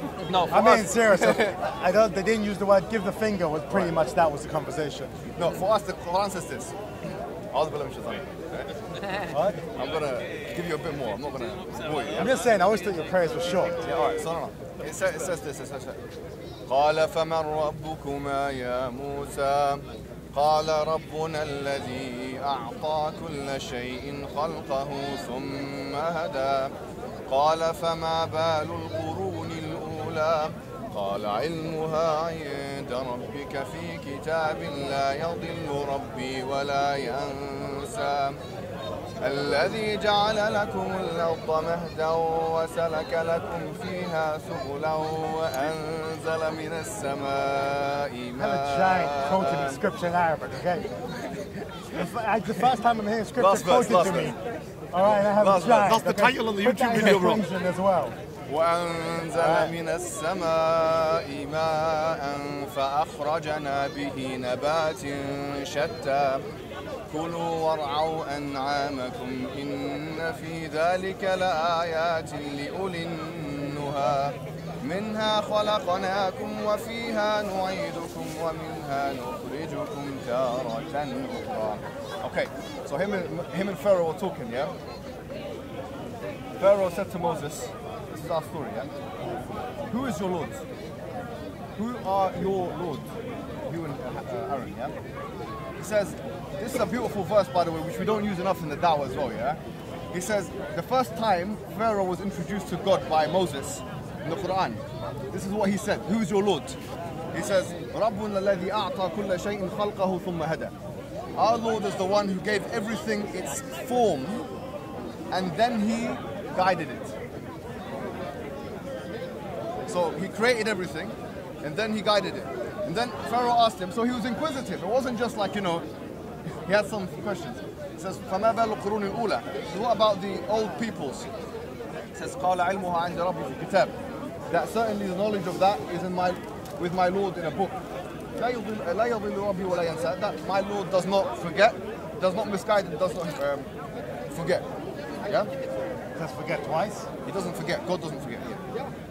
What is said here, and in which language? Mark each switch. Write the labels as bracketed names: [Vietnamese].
[English] No, I mean, seriously, they didn't use the word give the finger, was pretty much that was the conversation. No, for us, the Quran says this. What? I'm gonna give you a bit more. I'm not gonna bore you. I'm just saying, I always thought your prayers were short. Yeah, alright, so no. It says this. [Arabic] قَالَ فَمَنْ رَبُّكُمَا يَا مُوسَى قَالَ رَبُّنَا الَّذِي أَعْطَى كُلَّ شَيْءٍ خَلْقَهُ ثُمَّ هَدَى قَالَ فَمَا بَالُ الْقُرُونِ الْأُولَى قَالَ عِلْمُهَا عِنْدَ رَبِّكَ فِي كِتَابٍ لَا يَضِلُّ رَبِّي وَلَا يَنْسَى الذي جعل لكم الأرض مهدا وسلك لكم فيها سبلا وأنزل من السماء ماء. [English] I'm a giant quoting the scripture in Arabic, okay? The first time I'm hearing scripture quoted to me. Alright, I have last, a giant. That's the title on the YouTube video, bro. Put that in as well. [Arabic] وأنزل من السماء ماء فأخرجنا به نبات شتى كلوا وارعوا أنعامكم إن في ذلك لآيات لأولي النهى منها خلقناكم وفيها نعيدكم ومنها نخرجكم تارة أخرى. [English] Okay, so him and Pharaoh were talking, yeah? Pharaoh said to Moses, this is our story, yeah? Who is your Lord? Who are your Lord? You and Aaron, yeah? He says, this is a beautiful verse, by the way, which we don't use enough in the Dawah as well, yeah? He says, the first time Pharaoh was introduced to God by Moses in the Quran, this is what he said, who is your Lord? He says, [Arabic] رَبُّنَ الَّذِي أَعْطَى كُلَّ شَيْءٍ خَلْقَهُ ثُمَّ هَدَى. [English] Our Lord is the one who gave everything its form, and then he guided it. So he created everything, and then he guided it. And then Pharaoh asked him, so he was inquisitive. It wasn't just like, you know, he had some questions. He says, [Arabic] فَمَا بَالُ قُرُونِ الْأُولَى? [English] So what about the old peoples? He says, [Arabic] قَالَ عِلْمُهَا عِنْدَ رَبِّهِ كِتَابِ. [English] That certainly the knowledge of that is in my, with my Lord in a book. [Arabic] لَا يَضِلُّ رَبِّهِ وَلَا يَنْسَى. [English] That my Lord does not forget, does not misguide, and does not forget. Yeah? He says forget twice? He doesn't forget. God doesn't forget. Yeah.